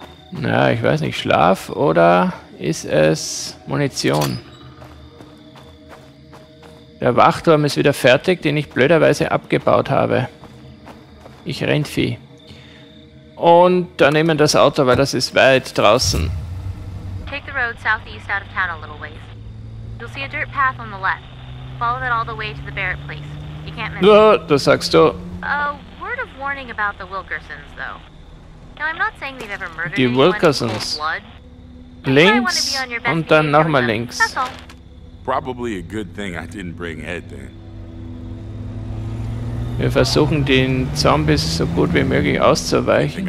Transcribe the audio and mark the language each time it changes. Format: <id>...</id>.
<de>Naja, ich weiß nicht, Schlaf oder ist es Munition? Der Wachturm ist wieder fertig, den ich blöderweise abgebaut habe. Ich Rindvieh. Und da nehmen wir das Auto, weil das ist weit draußen.</de> <en>Take the road southeast out of town a little ways. You'll see a dirt path on the left. Follow that all the way to the Barrett place. You can't miss it.</en> <de>Oh, das sagst du.</de> <en>A word of warning about the Wilkersons, though. Now, I'm not saying they've ever murdered die Wilkersons.</en> <de>Links und dann nochmal links.</de> <en>Probably a good thing I didn't bring Ed then.</en> <de>Wir versuchen den Zombies so gut wie möglich auszuweichen.</de>